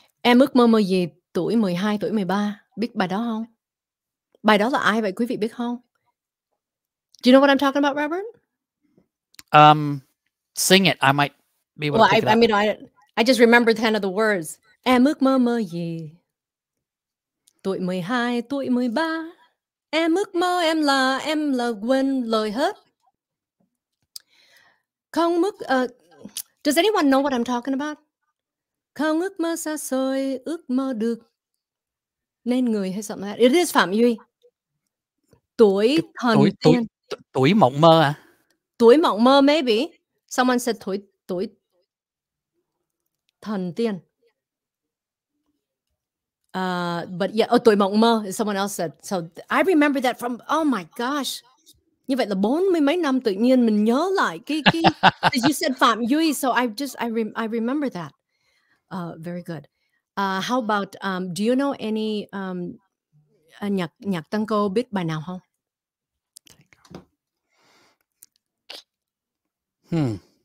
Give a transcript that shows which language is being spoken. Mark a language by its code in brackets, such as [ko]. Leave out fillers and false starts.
[vi] Em ước mơ mơ gì? Tuổi 12, tuổi 13. Biết bài đó không? Bài đó là ai vậy? Quý vị biết không? [en] Do you know what I'm talking about, Robert? Sing it. I might be able to pick it up. I just remember the end of the words. [vi] Em ước mơ mơ gì? Tuổi 12, tuổi 13. Em ước mơ em là quên lời hết. Không mức, [en] does anyone know what I'm talking about? [vi] Không ước mơ xa xôi, ước mơ được nên người hay [en] something like that. It is Pham Duy. [vi] Tuổi thần tiên. Tuổi mộng mơ à? Tuổi mộng mơ maybe. [en] Someone said [vi] tuổi thần tiên. [en] But yeah, oh, [vi] tuổi mộng mơ, [en] someone else said. So I remember that from, oh my gosh. [vi] Như vậy là 40 mấy năm tự nhiên mình nhớ lại cái [en] you said Pham Duy, so I remember that. Very good. How about do you know any [vi] nhạc tân cô biết bài nào không?